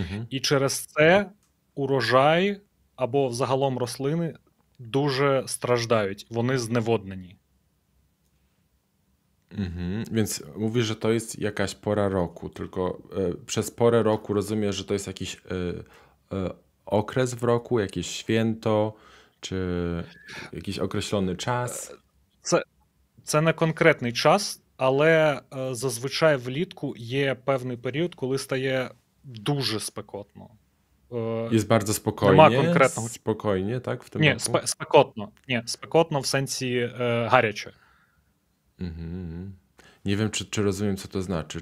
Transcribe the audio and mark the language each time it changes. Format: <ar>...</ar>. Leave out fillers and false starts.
<uk>І через це урожай або взагалом рослини дуже страждають, вони зневоднені.</uk> <pl>Więc mówisz, że to jest jakaś pora roku, tylko przez porę roku rozumiesz, że to jest jakiś okres w roku, jakieś święto, czy jakiś określony czas?</pl> <uk>Це не конкретний час, але зазвичай влітку є певний період, коли стає дуже спекотно.</uk> <pl>Jest bardzo spokojnie. Spokojnie, tak? W tym nie, spekotno. Nie, spekotno w sensie gorąco. Nie wiem, czy rozumiem, co to znaczy.</pl>